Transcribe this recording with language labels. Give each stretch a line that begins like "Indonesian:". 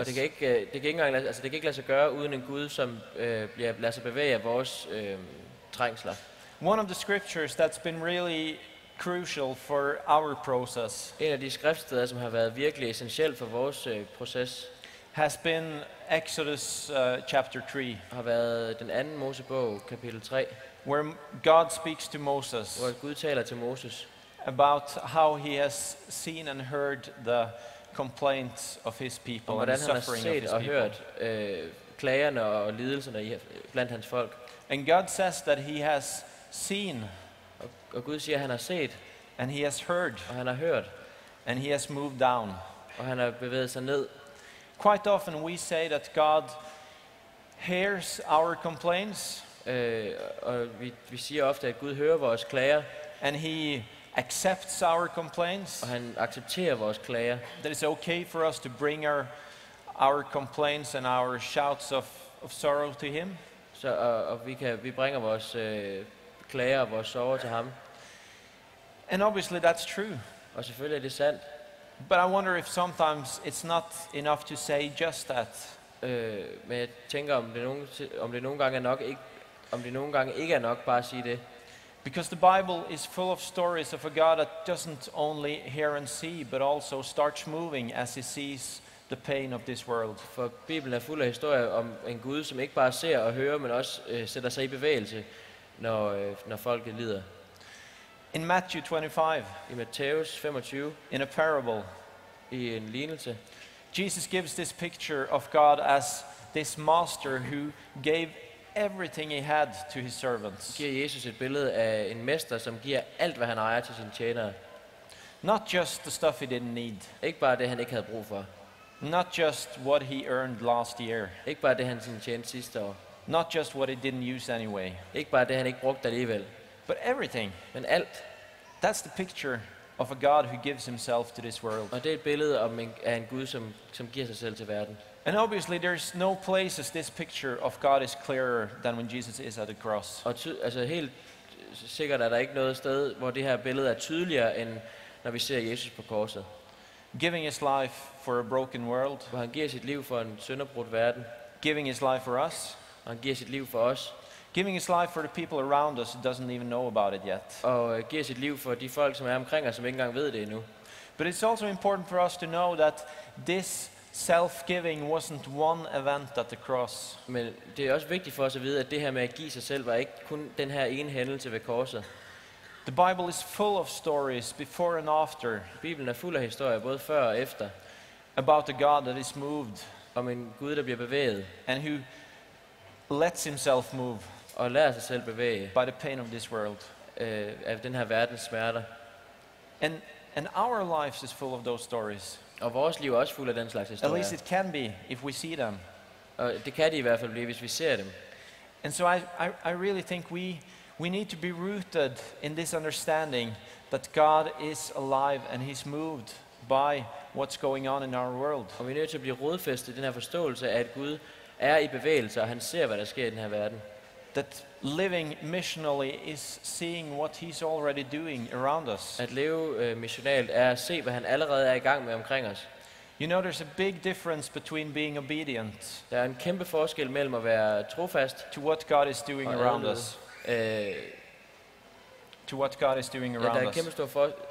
Danish: Og det kan ikke lade sig gøre uden en Gud som bliver lader sig bevæge af vores trængsler.
English: One of the scriptures that's been really crucial for our process.
Danish: En af de skriftsteder som har været virkelig essentiel for vores proces
English: has been Exodus chapter 3.
Danish: Har været den anden Mosebog kapitel 3.
English: Where God speaks to Moses.
Danish: Hvor Gud taler til Moses.
English: About how he has seen and heard the complaints of his people and the suffering of his people.
Danish: Og hvordan han har set og hørt klagerne og lidelserne blandt hans folk.
English: And God says that he has seen.
Danish: Og Gud siger han har set.
English: And he has heard.
Danish: Og han har hørt.
English: And he has moved down.
Danish: Og han har bevæget sig ned.
English: Quite often we say that God hears our complaints.
Danish: Og vi siger ofte at Gud hører vores klager.
English: And he accepts our complaints.
Danish: Og han accepterer vores klager.
English: That is okay for us to bring our complaints and our shouts of sorrow to him.
Danish: Så og vi kan vi bringer vores klager og vores sorger til ham.
English: And obviously that's true.
Danish: Og selvfølgelig er det sandt.
English: But I wonder if sometimes it's not enough to say just that.
Danish: Men jeg tænker om det nogle gange ikke er nok bare at sige det.
English: Because the Bible is full of stories of a God that doesn't only hear and see, but also starts moving as he sees the pain of this world.
Danish: For Bibelen er fuld af historier om en Gud, som ikke bare ser og hører, men også sætter sig i bevægelse, når folk lider.
English: In Matthew 25,
Danish: i Matthæus 25,
English: in a parable,
Danish: i en lignelse,
English: Jesus gives this picture of God as this master who gave everything he had to his servants.
Danish: Giver Jesus et billede af en mester, som giver alt hvad han ejer til sine tjenere.
English: Not just the stuff he didn't need.
Danish: Ikke bare det han ikke havde brug for.
English: Not just what he earned last year.
Danish: Ikke bare det han sin tjente sidste år.
English: Not just what he didn't use anyway.
Danish: Ikke bare det han ikke brugte alligevel.
English: But everything.
Danish: Men alt.
English: That's the picture of a God who gives himself to this world.
Danish: Og det er et billede af en Gud, som giver sig selv til verden.
English: And obviously there's no place as this picture of God is clearer than when Jesus is at the cross.
Danish: Og altså helt sikkert er der ikke noget sted, hvor det her billede er tydeligere end når vi ser Jesus på korset.
English: Giving his life for a broken world.
Danish: Hvor han giver sit liv for en synderbrudt verden.
English: Giving his life for us.
Danish: Og han giver sit liv for os.
English: Giving his life for the people around us who doesn't even know about it yet.
Danish: Og giver sit liv for de folk som er omkring os, som ikke engang ved det endnu.
English: But it's also important for us to know that this self-giving wasn't one event at the cross.
Danish: Men det er også vigtigt for os at vide, at det her med at give sig selv var ikke kun den her ene hændelse ved korset.
English: The Bible is full of stories before and after.
Danish: Bibelen er fuld af historier både før og efter.
English: About a God that is moved.
Danish: Om en Gud der bliver bevæget.
English: And who lets himself move.
Danish: Og lader sig selv bevæge.
English: By the pain of this world.
Danish: Af den her verdens smerter.
English: And our lives is full of those stories.
Danish: Og vores liv er også fuld af den slags historier.
English: At least it can be if we see them.
Danish: Og det kan de i hvert fald blive, hvis vi ser dem.
English: And so I really think we need to be rooted in this understanding that God is alive and he's moved by what's going on in our world.
Danish: Og vi er nødt til at blive rodfæstet i den her forståelse af, at Gud er i bevægelse, og han ser, hvad der sker i den her verden.
English: That living missionally is seeing what he's already doing around us.
Danish: At leve missionalt er at se, hvad han allerede er i gang med omkring os.
English: You know, there's a big difference between being obedient.
Danish: Der er en kæmpe forskel mellem at være trofast.
English: To what God is doing around us. To what God is doing around us.
Danish: Ja, der er en kæmpe stor forskel.